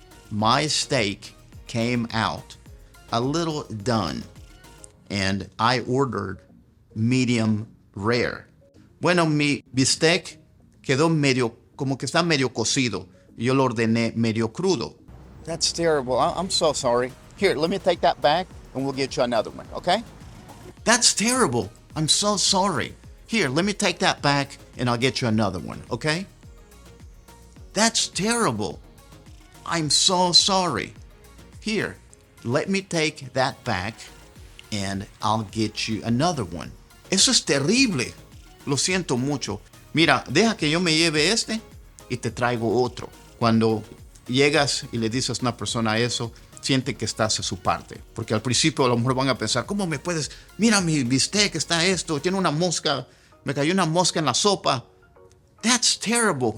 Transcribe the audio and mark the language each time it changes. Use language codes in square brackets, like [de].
[en] My steak came out a little done, and I ordered medium rare. [es] Bueno, mi bistec quedó medio, como que está medio cocido. Yo lo ordené medio crudo. [en] That's terrible. I'm so sorry. Here, let me take that back, and we'll get you another one, okay? That's terrible. I'm so sorry. Here, let me take that back, and I'll get you another one, okay? That's terrible. I'm so sorry. Here, let me take that back and I'll get you another one. [es] Eso es terrible. Lo siento mucho. Mira, deja que yo me lleve este y te traigo otro. Cuando llegas y le dices a una persona eso, siente que estás a su parte. Porque al principio a lo mejor van a pensar, ¿cómo me puedes? Mira mi bistec, está esto, tiene una mosca. Me cayó una mosca en la sopa. [en] That's terrible.